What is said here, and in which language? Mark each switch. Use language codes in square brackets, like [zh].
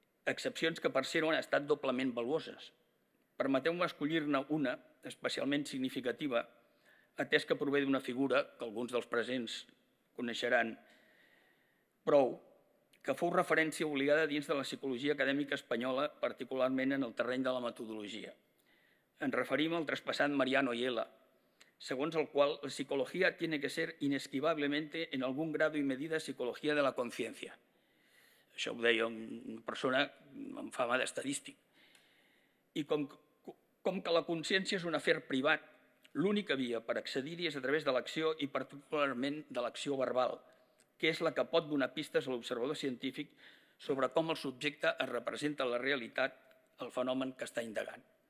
[ca] Excepcions que, per cert, han estat doblement valuoses. Permeteu-me escollir-ne una, especialment significativa, atès que prové d'una figura que alguns dels presents coneixeran prou, que fou referència obligada dins de la psicologia acadèmica espanyola, particularment en el terreny de la metodologia. Ens referim al traspassat Mariano Ayala, segons el qual la psicologia [es] tiene que ser inesquivablemente en algún grado y medida psicología de la conciencia. [ca] Això ho deia una persona amb fama d'estadístic. I com que la consciència és un afer privat, l'única via per accedir-hi és a través de l'acció i particularment de l'acció verbal, que és la que pot donar pistes a l'observador científic sobre com el subjecte es representa la realitat, el fenomen que està indagant.